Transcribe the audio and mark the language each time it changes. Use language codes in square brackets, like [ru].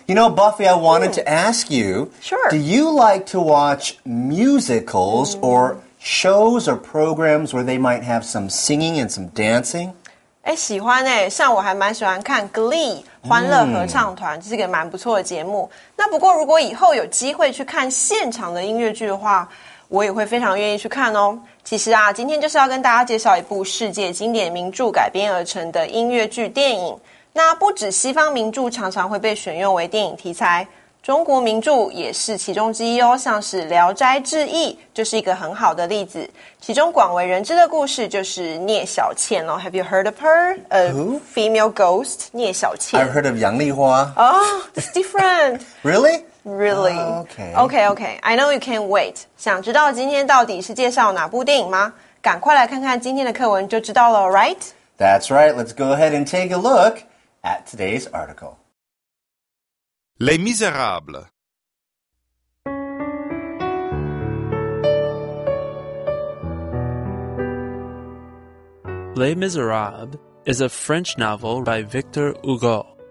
[en] You know, Buffy, I wanted to ask you, sure. Do you like to watch musicals or shows or programs where they might have some singing and some dancing? [zh] 诶，喜欢诶，像我还蛮喜欢看 Glee 欢乐合唱团，这是个蛮不错的节目。那不过如果以后有机会去看现场的音乐剧的话，我也会非常愿意去看哦。其实啊，今天就是要跟大家介绍一部世界经典名著改编而成的音乐剧电影。那不止西方名著常常会被选用为电影题材，中国名著也是其中之一哦，像是《聊斋志异》就是一个很好的例子。其中广为人知的故事就是聂小倩哦 ， [en] Have you heard of her? Who? Female ghost， 聂小倩。 I've heard of 杨丽花。 Oh, it's different. Really? Really?、 Okay. I know you can't wait. [zh] 想知道今天到底是介绍哪部电影吗？赶快来看看今天的课文就知道了 ，right? [en] That's right. Let's go ahead and take a look at today's article. Les Misérables. Les Misérables is a French novel by Victor Hugo.